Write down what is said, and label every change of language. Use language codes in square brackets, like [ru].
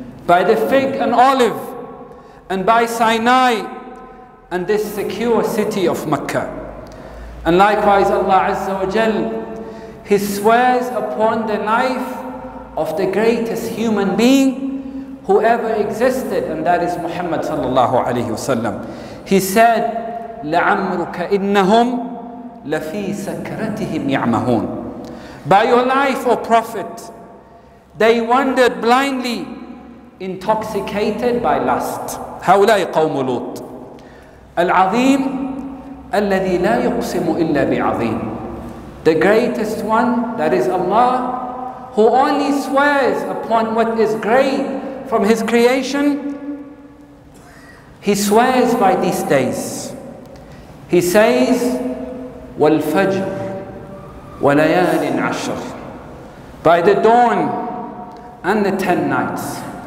[en] By the fig and olive, and by Sinai, and this secure city of Mecca. And likewise, Allah Azza wa Jal, He swears upon the life of the greatest human being who ever existed, and that is Muhammad sallallahu alayhi wa sallam. He said, [ar] لَعَمْرُكَ إِنَّهُمْ لَفِي سَكْرَتِهِمْ يَعْمَهُونَ. [en] By your life, O Prophet, they wandered blindly, intoxicated by lust. [ar] هَوْلَاي قَوْمُ لُوط العظيم الذي لا يقسم إلا بعظيم. [en] The greatest one, that is Allah, who only swears upon what is great from His creation, He swears by these days. He says, [ar] والفجر وليال عشر, [en] by the dawn and the 10 nights.